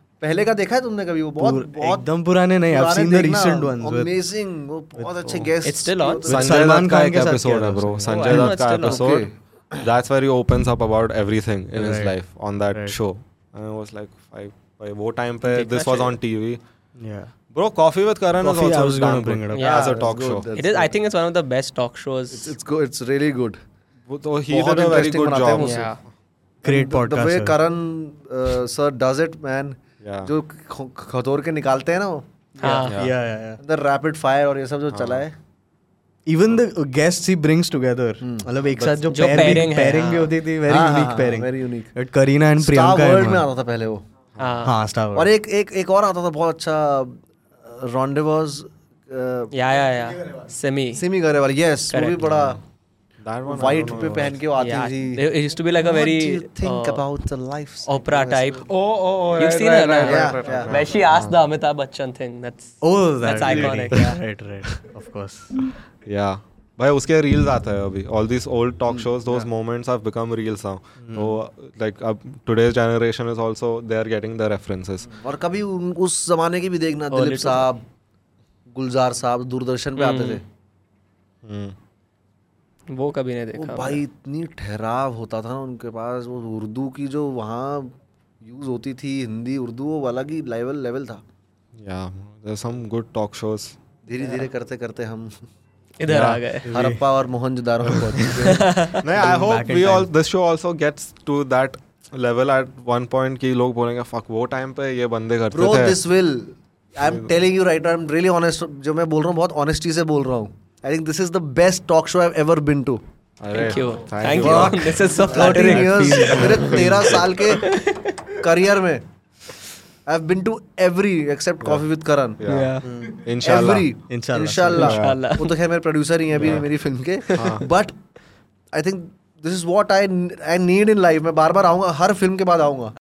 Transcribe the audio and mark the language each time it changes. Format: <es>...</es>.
<hi>पहले का देखा है तुमने कभी वो? बहुत एकदम पुराने नहीं,</hi> <en>I've seen the recent ones.</en> <hi>Amazing, वो बहुत अच्छे guests.</hi> <en>It's still on.</en> <hi>Sanjay Dutt का एक एपिसोड है ब्रो, संजय दत्त का episode.</hi> <en>That's where he opens up about everything in his life on that show. And it was like five.</en> <hi>वो time पे</hi> <en>this was on TV. Yeah. Bro, Coffee with Karan was also going to bring it up as a talk show. It is. I think it's one of the best talk shows. It's good. It's really good. तो he did a very good job. Great podcast. The way Karan sir does it, man.</en> <hi>जो खतोर के निकालते हैं ना वो,</hi> <en>the rapid fire</en> <hi>और ये सब जो चला है,</hi> <en>even the guests he brings together,</en> <hi>मतलब एक साथ जो पेयरिंग भी होती थी,</hi> <en>Very unique pairing, very unique. But Kareena and Priyanka</en> <hi>star world में आता था पहले वो, हां स्टार वर्ल्ड, और एक एक एक और आता था बहुत अच्छा, रेंडेवर्स, या सेमी गरेवाल, यस, वो भी बड़ा white पे पहन के आती थी.</hi> <en>It used to be like a very think about the life Oprah type. Oh, you've right, seen right, right, right? Yeah. When she asked the Amitabh Bachchan thing, that's really iconic. Right, of course.</en> <hi>Yeah, भाई उसके reels आते हैं अभी.</hi> <en>All these old talk shows, those moments have become reels now. So like today's generation is also they are getting the references.</en> <hi>और कभी उस जमाने की भी देखना, दिलीप साहब, गुलजार साहब दूरदर्शन पे आते थे. वो कभी नहीं देखा भाई, इतनी ठहराव होता था ना उनके पास, वो उर्दू की जो वहाँ यूज होती थी, हिंदी उर्दू, वो वाला की लेवल था.</hi> <en>या there some good talk shows.</en> <hi>धीरे धीरे करते करते हम इधर आ गए, हरप्पा और मोहनजोदड़ो में पहुंच गए.</hi> <en>नहीं, I hope we all, this show also gets to that level at one point,</en> <hi>की लोग बोलेंगे फक वो टाइम पे ये बंदे करते थे.</hi> <en>bro this will, I am telling you right, I am really honest,</en> <hi>जो मैं बोल रहा हूँ</hi> <en>बहुत ऑनेस्टी से बोल रहा हूँ. I think this is the best talk show I've ever been to. Thank you. This is so flattering.</en> <hi>मेरे 13 साल के करियर में,</hi> <en>I've been to every except Coffee with Karan. Inshallah.</en> <hi>वो तो खैर मेरे producer ही हैं अभी मेरी film के.</hi> <en>But I think this is what I need in life.</en> <hi>मैं बार बार आऊँगा, हर film के बाद आऊँगा.</hi>